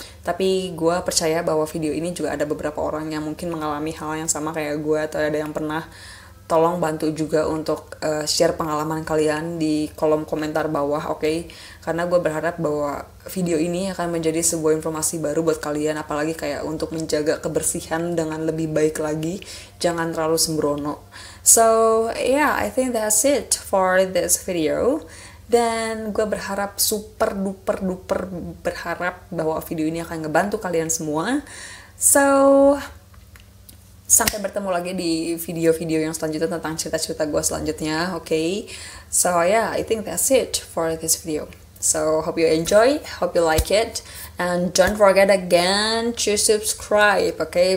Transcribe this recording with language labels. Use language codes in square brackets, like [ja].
[id] Tapi gue percaya bahwa video ini juga ada beberapa orang yang mungkin mengalami hal yang sama kayak gue atau ada yang pernah. Tolong bantu juga untuk share pengalaman kalian di kolom komentar bawah, oke? Karena gue berharap bahwa video ini akan menjadi sebuah informasi baru buat kalian, apalagi kayak untuk menjaga kebersihan dengan lebih baik lagi. Jangan terlalu sembrono. [en] So, yeah, I think that's it for this video. [id] Dan gue berharap [en] super duper duper [id] berharap bahwa video ini akan ngebantu kalian semua. So sampai bertemu lagi di video-video yang selanjutnya tentang cerita-cerita gue selanjutnya, oke? [en] Okay? So yeah, I think that's it for this video. So hope you enjoy, hope you like it, and don't forget again to subscribe, oke?